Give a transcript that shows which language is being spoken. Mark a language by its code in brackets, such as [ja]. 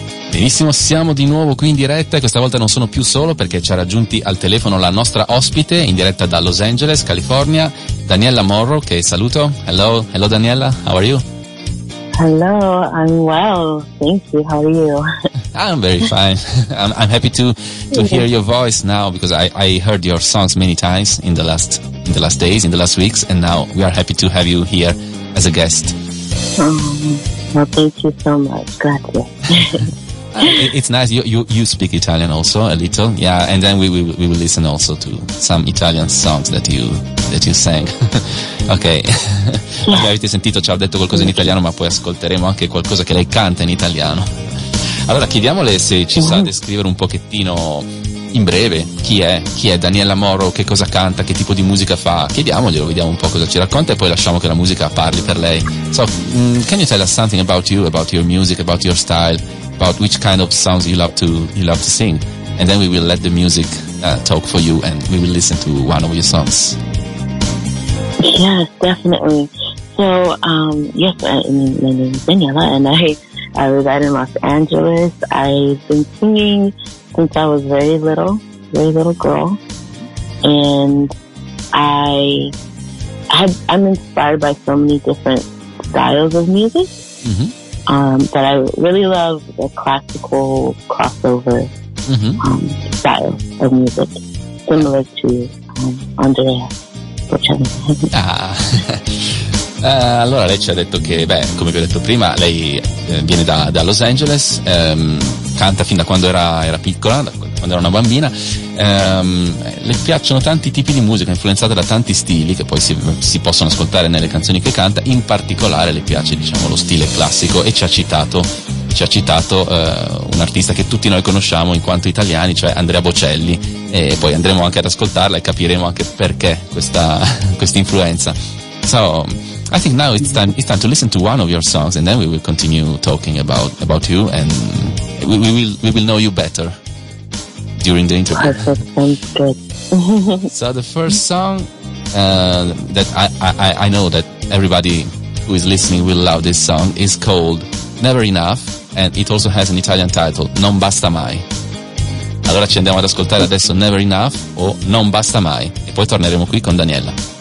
[it] Benissimo, siamo di nuovo qui in diretta e questa volta non sono più solo perché ci ha raggiunti al telefono la nostra ospite in diretta da Los Angeles, California, Daniela Morrow, che saluto. [en] Hello, hello Daniela, how are you? Hello, I'm well, thank you, how are you? I'm very fine. I'm happy to hear your voice now because I heard your songs many times in the last days, in the last weeks, and now we are happy to have you here as a guest. Well, thank you so much. [it] Grazie. [en] It's nice. You speak Italian also a little, yeah. And then we will listen also to some Italian songs that you sang. Okay. Yeah. [it] Vabbè, avete sentito? Ci ha detto qualcosa in italiano, ma poi ascolteremo anche qualcosa che lei canta in italiano. Allora chiediamole se ci sa descrivere un pochettino in breve chi è Daniela Morrow, che cosa canta, che tipo di musica fa. Chiediamoglielo, vediamo un po' cosa ci racconta e poi lasciamo che la musica parli per lei. [en] So, can you tell us something about you, about your music, about your style, about which kind of songs you love to sing, and then we will let the music talk for you and we will listen to one of your songs. Yes, definitely. So my name is Daniela and I reside in Los Angeles. I've been singing since I was very little girl, and I'm inspired by so many different styles of music. Mm-hmm. But I really love the classical crossover style of music, similar to Andrea Bocelli. [it] Allora lei ci ha detto che, beh, come vi ho detto prima, lei viene da Los Angeles, canta fin da quando era piccola, da quando era una bambina, le piacciono tanti tipi di musica, influenzata da tanti stili che poi si possono ascoltare nelle canzoni che canta, in particolare le piace, diciamo, lo stile classico, e ci ha citato un artista che tutti noi conosciamo in quanto italiani, cioè Andrea Bocelli, e poi andremo anche ad ascoltarla e capiremo anche perché questa influenza. [en] So, I think now it's time to listen to one of your songs, and then we will continue talking about you, and we will know you better during the interview. Perfect, sounds good. So the first song that I know that everybody who is listening will love this song is called Never Enough, and it also has an Italian title, Non Basta Mai. [it] Allora ci andiamo ad ascoltare adesso Never Enough o Non Basta Mai, e poi torneremo qui con Daniela.